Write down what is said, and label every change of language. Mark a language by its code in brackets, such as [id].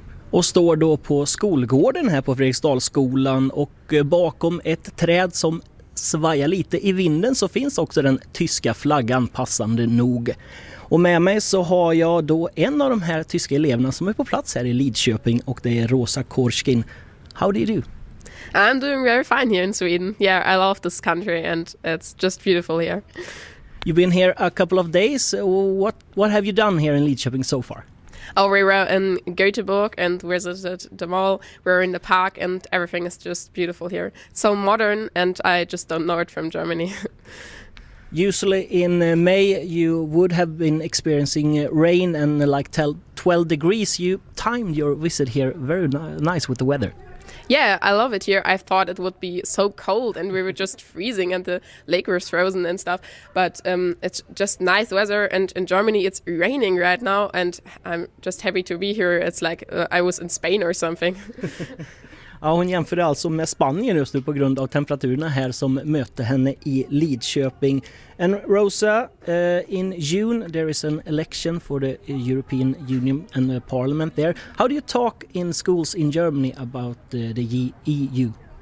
[sv] Och står då på skolgården här på Fredriksdalsskolan, och bakom ett träd som svajar lite i vinden så finns också den tyska flaggan, passande nog. Och med mig så har jag då en av de här tyska eleverna som är på plats här i Lidköping, och det är Rosa Korskin. [en] How do you do? I'm doing very fine here in Sweden. Yeah, I love this country and it's just beautiful here. You've been here a couple of days. What have you done here in Lidköping so far? Oh, we were in Göteborg and visited the mall. We were in the park and everything is just beautiful here. So modern, and I just don't know it from Germany. Usually in May you would have been experiencing rain and like 12 degrees. You timed your visit here very nice with the weather. Yeah, I love it here. I thought it would be so cold and we were just freezing and the lake was frozen and stuff. But it's just nice weather, and in Germany it's raining right now and I'm just happy to be here. It's like I was in Spain or something. [sv] Ja, hon jämförde alltså med Spanien just nu på grund av temperaturerna här som mötte henne i Lidköping. [en] And Rosa, in June there is an election for the European Union and the parliament there. How do you talk in schools in Germany about the EU?